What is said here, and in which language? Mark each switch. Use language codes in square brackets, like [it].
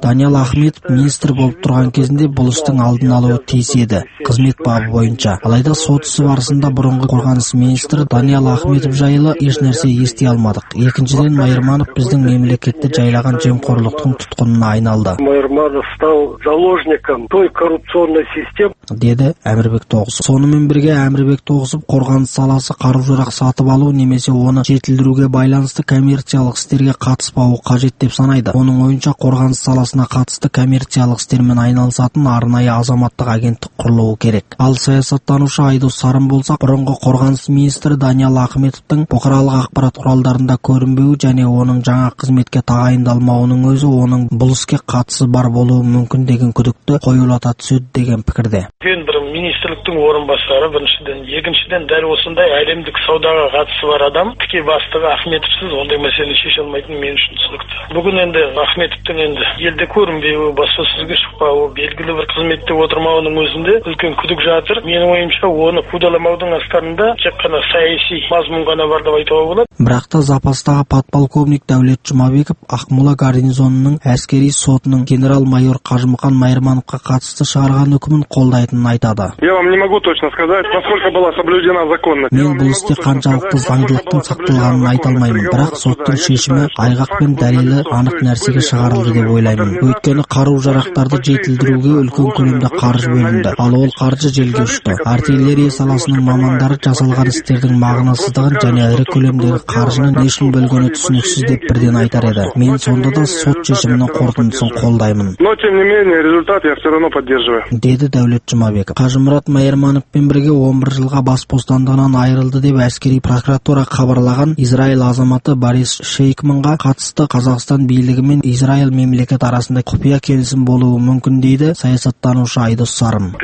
[kk] Даниал Ахметов министр болып тұрған кезінде бұл істің алдын алуы тиіс еді. Қызмет бабы бойынша. Алайда сот ісі барысында бұрынғы қорғаныс министрі Даниал Ахметов жайлы еш нәрсе ести алмадық. Екіншіден Майырманов біздің мемлекетті жайлаған жемқорлықтың тұтқынына айналды. [ru] Майырманов стал заложником той коррупционной системы. [kk] Деді Әмірбек Тоғысов. Сонымен бірге Әмірбек Тоғысов қорғаныс саласы қару-жарақ сатып алу немесе оны жетілдіруге байланысты коммерциялық істерге қатыспауы қажет деп санайды. Оның ойынша қорғаныс саласына қатысты коммерциялық істермен айналысатын арнайы азаматтық агенттік құрылуы керек. Ал саясаттанушы Айдос Сарым болса, бұрынғы қорғаныс министрі Даниал Ахметовтың бұқаралық ақпарат құралдарында көрінбеуі және оның жаңа қызметке тағайындалмауының өзі оның бұл іске қатысы бар болуы мүмкін деген күдікті қоюлата түседі деген пікірде. Министрліктің орынбасары біріншіден, екіншіден дәл осындай әлемдік саудаға қатысы бар адам тіке бастығы Ахметовсіз ондай мәселені шеше алмайтын мен үшін түсінікті. Бүгін енді Ахметовтың енді елде көрінбеуі, баспасөзге шықпауы, белгілі бір қызметте отырмауының өзінде үлкен күдік жатыр. Менің ойымша оны қудаламаудың астарында тек қана саяси мазмұн ғана бар деп айтуға болады. Бірақ та запастағы подполковник Дәулет Жұмабеков Ақмола гарнизонының әскери сотының генерал-майор Қажымқан Майырмановқа қатысты шығарған үкімін қолдайтынын айтады. [ru] Я вам не могу точно сказать, насколько была соблюдена законность. [kk] Мен бұл істе қаншалықты заңдылықтың сақталғанын айта алмаймын, бірақ соттың шешімі айғақ пен дәлелі анық нәрсеге шығарылды деп ойлаймын. Өйткені қару-жарақтарды жетілдіруге үлкен көлемде қаржы бөлінді, ал ол қаржы желге ұшты. Артиллерия саласының мамандары жасалған істердің мағынасыздығын және ірі көлемдегі қаржыны нешін бөлгені түсініксіз деп бірден айтар еді. Мен сонда да сот шешімінің қорытындысын қолдаймын. [ru] Но тем не менее результат я все равно поддерживаю. [kk] Деді Дәулет Жұмабеков. Қажымұрат Майырмановпен бірге 11 жылға бас бостандығынан айырылды деп әскери прокуратура хабарлаған Израиль азаматы Борис Шейкманға қатысты Қазақстан билігі мен Израиль мемлекет арасында құпия келісім болуы мүмкін дейді саясаттанушы Айдос Сарым.